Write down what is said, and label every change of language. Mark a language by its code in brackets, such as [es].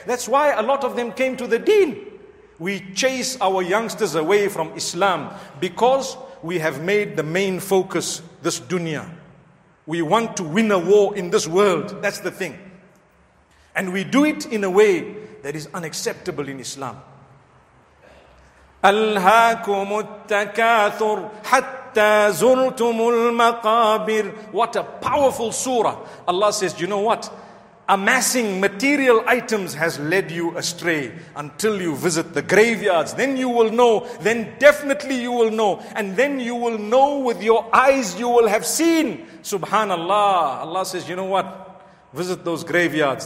[en] That's why a lot of them came to the deen. We chase our youngsters away from Islam because we have made the main focus this dunya. We want to win a war in this world. That's the thing. And we do it in a way that is unacceptable in Islam. [ar] ألهاكم التكاثر حتى زرتم المقابر. [en] What a powerful surah. Allah says, you know what? Amassing material items has led you astray until you visit the graveyards. Then you will know. Then definitely you will know. And then you will know with your eyes, you will have seen. Subhanallah. Allah says, you know what? Visit those graveyards.